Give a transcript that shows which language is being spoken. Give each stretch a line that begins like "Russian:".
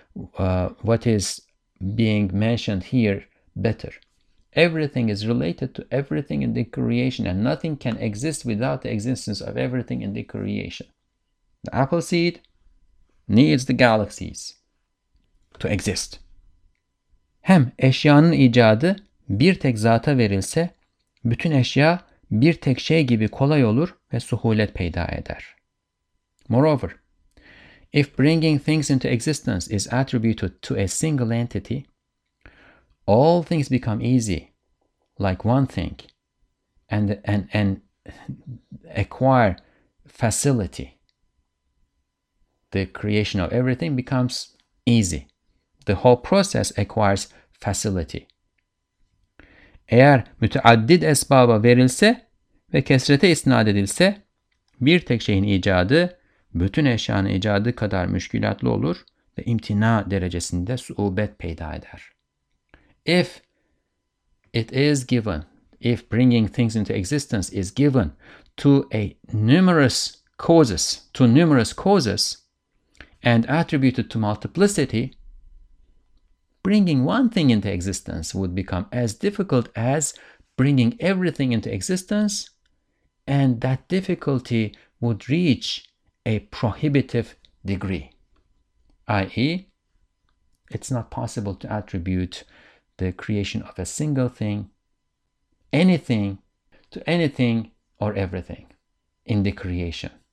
English: what is being mentioned here better. Everything is related to everything in the creation, and nothing can exist without the existence of everything in the creation. The apple seed needs the galaxies to exist.
Turkish: Hem eşyanın icadı bir tek zata verilse, bütün eşya bir tek şey gibi kolay olur ve suhulet peyda eder.
English: Moreover, if bringing things into existence is attributed to a single entity, all things become easy, like one thing, and acquire facility. The creation of everything becomes easy. The whole process acquires facility.
Turkish: Eğer müteaddid esbaba verilse ve kesrete isnat edilse, bir tek şeyin icadı, bütün eşyanın icadı kadar müşkülatlı olur ve imtina derecesinde suubet peyda eder.
English: If it is given, if bringing things into existence is given to numerous causes, and attributed to multiplicity, bringing one thing into existence would become as difficult as bringing everything into existence, and that difficulty would reach a prohibitive degree, i.e., it's not possible to attribute the creation of a single thing, anything, to anything or everything in the creation.